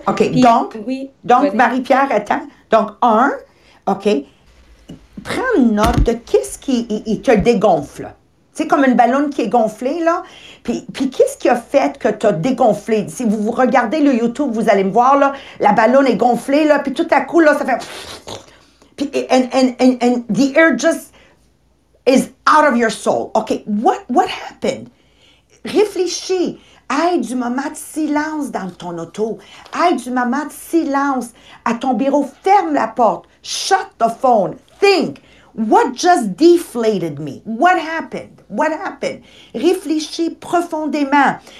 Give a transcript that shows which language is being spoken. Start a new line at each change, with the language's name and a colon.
French: OK. Puis, donc Marie-Pierre, attends. Donc, OK. Prends note de qu'est-ce qui il te dégonfle. Tu sais, comme une ballonne qui est gonflée, là. Puis qu'est-ce qui a fait que tu as dégonflé? Si vous regardez le YouTube, vous allez me voir, là, la ballonne est gonflée, là, puis tout à coup, là, ça fait...
English: Puis, and the air just is out of your soul. OK, what happened?
French: Réfléchis. Aide du moment de silence dans ton auto. Aide du moment de silence à ton bureau. Ferme la porte.
English: Shut the phone. Think. What just deflated me? What happened?
French: Réfléchis profondément.